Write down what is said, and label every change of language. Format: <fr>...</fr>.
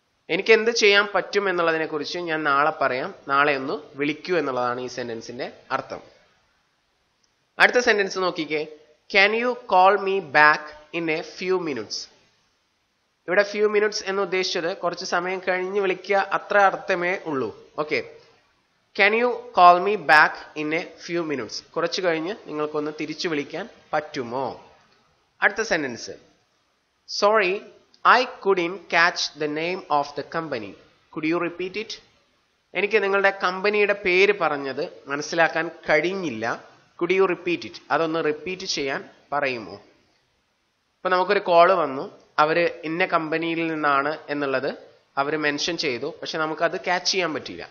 <ml>എനിക്ക് എന്ത് ചെയ്യാൻ പറ്റും എന്നുള്ളതിനെ കുറിച്ച് ഞാൻ നാളെ പറയാം, നാളെ ഒന്ന് വിളിക്കൂ എന്നുള്ളതാണ് ഈ സെന്റൻസിന്റെ അർത്ഥം. അടുത്ത സെന്റൻസ് നോക്കിക്കേ.</ml> <en>Can you call me back in a few minutes.</en> <ml>ഇവിടെ ഫ്യൂ മിനിറ്റ്സ് എന്ന് ഉദ്ദേശിച്ചത് കുറച്ച് സമയം കഴിഞ്ഞ് വിളിക്കുക, അത്ര അർത്ഥമേ ഉള്ളൂ.</ml> <en>Okay, Can you call me back in a few minutes?</en> <ml>കുറച്ചു കഴിഞ്ഞ് നിങ്ങൾക്കൊന്ന് തിരിച്ചു വിളിക്കാൻ പറ്റുമോ? അടുത്ത sentence,</ml> <en>Sorry I couldn't catch the name of the company. Could you repeat it?</en> <ml>എനിക്ക് നിങ്ങളുടെ കമ്പനിയുടെ പേര് പറഞ്ഞത് മനസ്സിലാക്കാൻ കഴിഞ്ഞില്ല.</ml> <en>Could you repeat it?</en> <ml>അതൊന്ന് റിപ്പീറ്റ് ചെയ്യാൻ പറയുമോ? ഇപ്പൊ നമുക്കൊരു കോള് വന്നു, അവര് ഇന്ന കമ്പനിയിൽ നിന്നാണ് എന്നുള്ളത് അവർ മെൻഷൻ ചെയ്തു, പക്ഷെ നമുക്കത് ക്യാച്ച് ചെയ്യാൻ പറ്റില്ല.</ml>